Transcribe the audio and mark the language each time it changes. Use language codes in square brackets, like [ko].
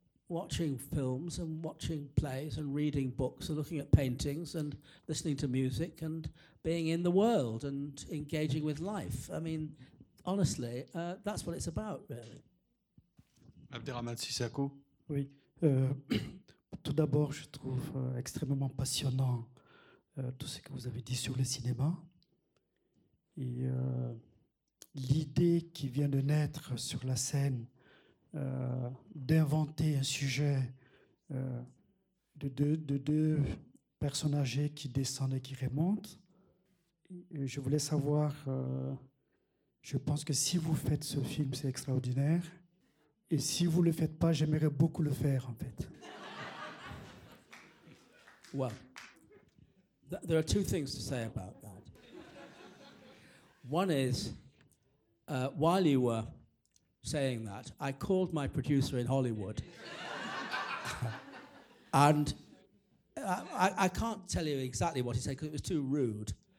[en] watching films and watching plays and reading books and looking at paintings and listening to music and being in the world and engaging with life. I mean, honestly, that's what it's about, really. Abderrahman Sissako. [fr] Oui. Tout d'abord, je trouve extrêmement passionnant tout ce que vous avez dit sur le cinéma. Et l'idée qui vient de naître sur la scène d'inventer un sujet de deux personnages qui descendent et qui remontent. Et je voulais savoir, je pense que si vous faites ce film, c'est extraordinaire. Et si vous ne le faites pas, j'aimerais beaucoup le faire, en fait. [en] Well, there are two things to say about that. One is, while you were saying that, I called my producer in Hollywood. And I can't tell you exactly what he said, because it was too rude.